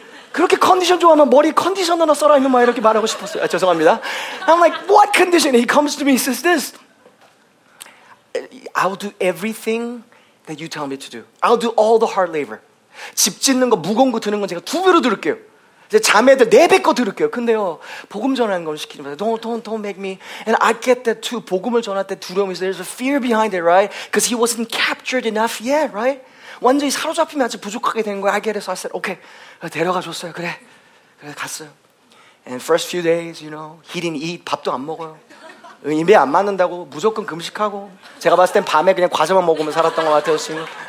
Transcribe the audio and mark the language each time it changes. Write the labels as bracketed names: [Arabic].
[Korean] 그렇게 컨디션 좋아하면 머리 컨디션으로 써라 이놈아 이렇게 말하고 싶었어요. 아, 죄송합니다. [English] I'm like, what condition? He comes to me, he says this. I'll do everything that you tell me to do. I'll do all the hard labor. [Korean] 집 짓는 거, 무거운 거 드는 건 제가 두 배로 들을게요. 제 자매들 네 배 거 들을게요. 근데요, 복음 전하는 걸 시키지 마세요. [English] Don't make me. And I get that too. [Korean] 복음을 전할 때 두려움이 있어요. [English] There's a fear behind it, right? Because he wasn't captured enough yet, right? [Korean] 완전히 사로잡히면 아주 부족하게 되는 거야. [English] I get it. So I said, okay. [Korean] 데려가 줬어요. 그래. 그래, 갔어요. [English] And first few days, you know, he didn't eat. [Korean] 밥도 안 먹어요. 입에 안 맞는다고 무조건 금식하고. 제가 봤을 땐 밤에 그냥 과자만 먹으면 살았던 것 같아요, 지금.